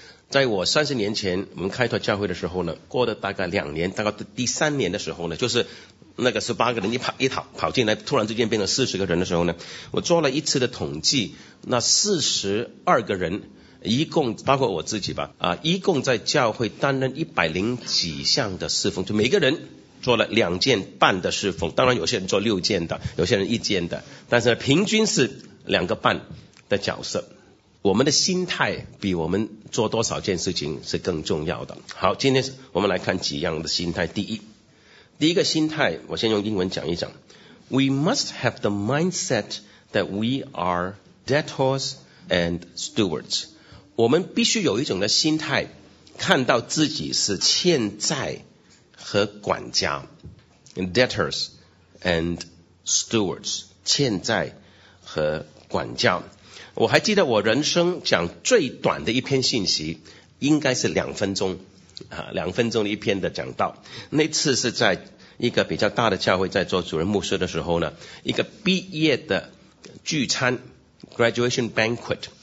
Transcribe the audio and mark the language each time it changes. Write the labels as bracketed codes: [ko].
[zh] 在我30年前我们开拓教会的时候呢，过了大概2年，大概第3年的时候呢，就是那个18个人一跑进来，突然之间变成40个人的时候呢，我做了一次的统计，那42个人一共包括我自己吧啊，一共在教会担任100几项的侍奉，就每个人做了2件半的侍奉，当然有些人做6件的，有些人1件的，但是平均是2个半的角色。我们的心态比我们做多少件事情是更重要的。好，今天我们来看几样的心态。第一个心态，我先用英文讲一讲。 [en] We must have the mindset that we are debtors and stewards. [zh] 我们必须有一种的心态，看到自己是欠债和管家。 [en] Debtors and stewards， [zh] 欠债和管家。我还记得我人生讲最短的一篇信息，应该是两分钟，两分钟一篇的讲道。那次是在一个比较大的教会，在做主任牧师的时候呢，一个毕业的聚餐 ， [en] graduation banquet。